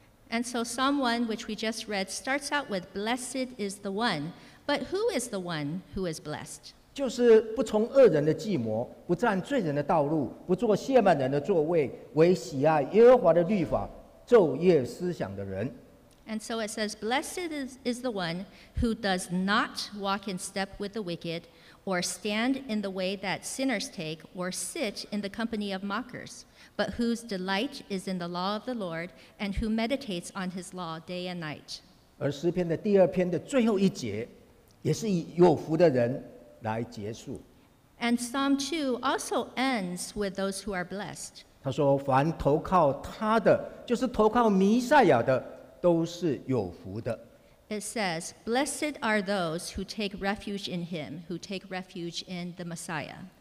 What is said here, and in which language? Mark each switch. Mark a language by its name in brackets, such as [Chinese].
[English] And so Psalm 1, which we just read, starts out with, blessed is the one. But who is the one who is blessed? [Chinese] 就是不从恶人的计谋，不占罪人的道路，不做亵慢人的座位，为喜爱耶和华的律法，昼夜思想的人。 [English] And so it says, blessed is the one who does not walk in step with the wicked, or stand in the way that sinners take, or sit in the company of mockers, but whose delight is in the law of the Lord, and who meditates on his law day and night. [Chinese] 而诗篇的第二篇的最后一节，也是以有福的人来结束。 [English] And Psalm 2 also ends with those who are blessed. [Chinese] 他说，凡投靠他的，就是投靠弥赛亚的。都是有福的。 [English] It says, blessed are those who take refuge in him, who take refuge in the Messiah.